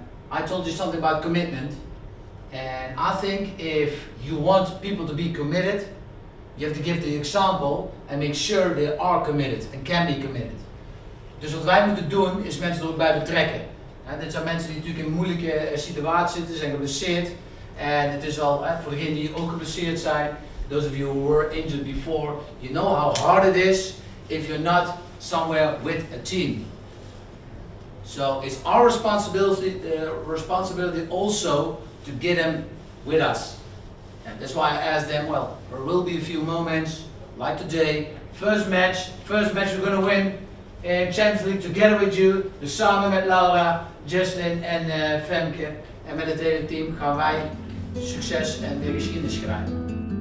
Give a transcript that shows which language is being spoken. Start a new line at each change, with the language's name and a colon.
English: I told you something about commitment. And I think if you want people to be committed, you have to give the example and make sure they are committed and can be committed.
Dutch: Dus wat wij moeten doen is mensen er ook bij betrekken. Dit zijn mensen die natuurlijk in moeilijke situaties zitten, zijn geblesseerd. En het is al, voor degenen die ook geblesseerd zijn,
English: those of you who were injured before, you know how hard it is if you're not somewhere with a team. So it's our responsibility, responsibility also to get them with us. And that's why I asked them, well, there will be a few moments, like today, first match we're going to win in Champions League together with you,
Dutch: samen met Laura, Justin en Femke. En met het hele team gaan wij succes en de geschiedenis schrijven.